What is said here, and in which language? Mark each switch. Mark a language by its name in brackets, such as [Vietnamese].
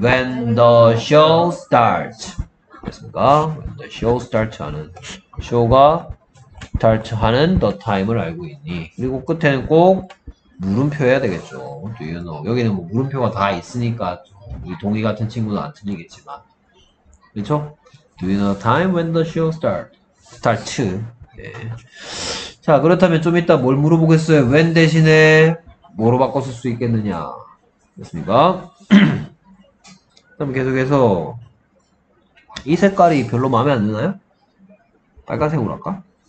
[English] When the show starts. 됐습니까? When the show starts [Korean] 하는. Show가 start 하는 the time을 알고 있니? 그리고 끝에는 꼭 물음표 해야 되겠죠. [English] Do you know? [Korean] 여기는 뭐 물음표가 다 있으니까 우리 동의 같은 친구는 안 틀리겠지만. 그렇죠? [English] Do you know the time when the show starts? Start. 네. [Korean] 자, 그렇다면 좀 이따 뭘 물어보겠어요? When 대신에 뭐로 바꿨을 수 있겠느냐? 됐습니까? 그럼 계속해서 이 색깔이 별로 마음에 안 드나요? 빨간색으로 할까?